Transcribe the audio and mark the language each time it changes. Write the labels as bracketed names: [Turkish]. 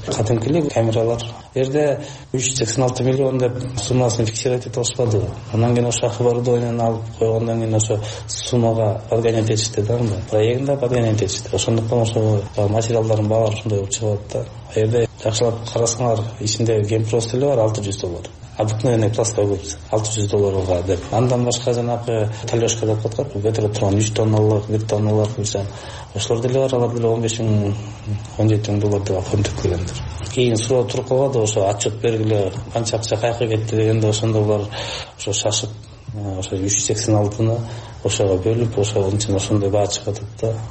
[Kyrgyz] Кадимки эле камералар жерде 386 миллион деп суммасын фиксировать этип алышпады. Андан кийин ошо акыбарды ойнон алып койгондон кийин ошо суммага подгонять этишти да анда проектинде подгонять этишти. Ошондуктан ошо материалдардын баалары ушундай болуп чыгып атат да. Жерде жакшылап карасаңар ичинде кемпирос деле бар 600 доллар. [Russian] Обыкновенный пластовый гипс 600 долларов да. [Kyrgyz] Андан башка жанагы талёшка деп коёт, бөтөрө турган 3 тонналык, 1 тонналык мисалы. Ошолор деле бар, алар деле 15 000, 17 000 доллар деп акырындап келгендер. Кийин суроо туруп калган да, ошо отчёт бергиле, канча акча кайка кетти дегенде, ошондо булар ошо шашып, ошо 386-ны ошого бөлүп, ошонун ичинен ошондой баа чыгып атат да.